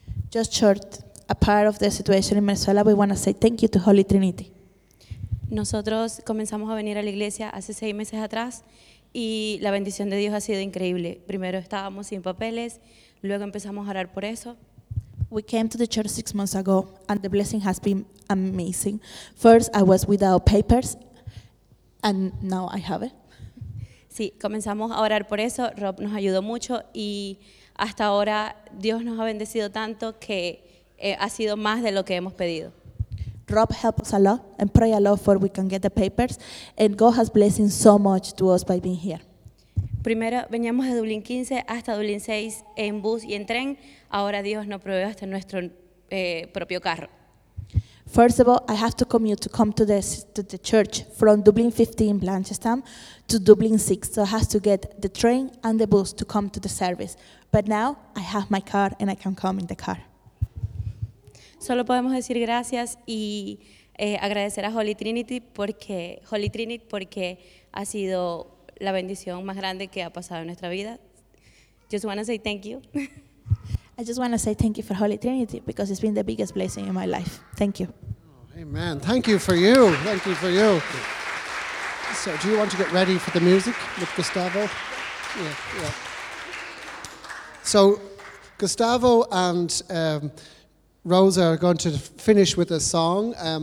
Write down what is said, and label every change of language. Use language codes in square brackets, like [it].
[en] Just short, a part of the situation in Venezuela, we want to say thank you to Holy Trinity. [es] Nosotros comenzamos a venir a la iglesia hace 6 meses atrás y la bendición de Dios ha sido increíble. Primero estábamos sin papeles, luego empezamos a orar por eso. [en] We came to the church 6 months ago and the blessing has been amazing. First, I was without papers. And now I have it. [es] Sí, comenzamos a orar por eso. Rob nos ayudó mucho y hasta ahora Dios nos ha bendecido tanto que ha sido más de lo que hemos pedido. [en] Rob helped us a lot and pray a lot for we can get the papers. And God has blessed so much to us by being here. [es] Primero veníamos de Dublín 15 hasta Dublín 6 en bus y en tren. Ahora Dios nos provee hasta nuestro propio carro. [en] First of all, I have to commute to come to the church from Dublin 15, Blanchestown, to Dublin 6. So I have to get the train and the bus to come to the service. But now I have my car and I can come in the car. [es] Solo podemos decir gracias y agradecer a Holy Trinity porque ha sido la bendición más grande que ha pasado en nuestra vida. [en] Just want to say thank you. I just want to say thank you for Holy Trinity because it's been the biggest blessing in my life. Thank you. Oh, amen. Thank you for you. Thank you for you. So, do you want to get ready for the music with Gustavo? Yeah. So, Gustavo and Rosa are going to finish with a song.